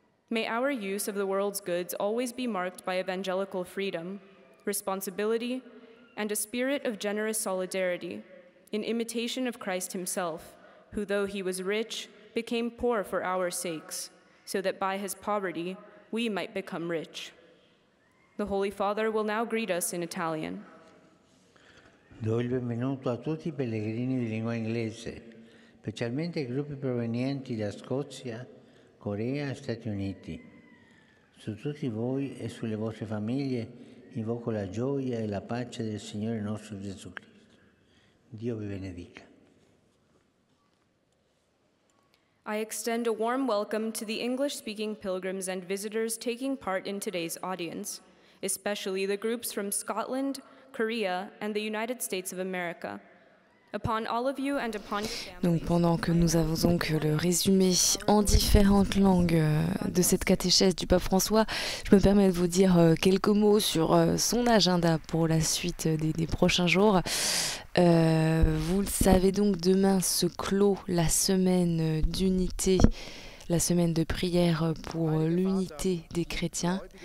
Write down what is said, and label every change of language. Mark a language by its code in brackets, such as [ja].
[en] May our use of the world's goods always be marked by evangelical freedom, responsibility, and a spirit of generous solidarity, in imitation of Christ himself, who though he was rich, became poor for our sakes, so that by his poverty, we might become rich. The Holy Father will now greet us in Italian. [it] Do il benvenuto a tutti i pellegrini di lingua inglese, specialmente ai gruppi provenienti da Scozia, Corea e Stati Uniti. Su tutti voi e sulle vostre famiglie invoco la gioia e la pace del Signore nostro Gesù Cristo. Dio vi benedica. [en] I extend a warm welcome to the English-speaking pilgrims and visitors taking part in today's audience, especially the groups from Scotland, Korea, and the United States of America. Upon all of you and upon your families. [fr] Donc pendant que nous avons donc le résumé en différentes langues de cette catéchèse du pape François, je me permets de vous dire quelques mots sur son agenda pour la suite des prochains jours. Vous le savez donc, demain se clôt la semaine d'unité, la semaine de prière pour l'unité des chrétiens.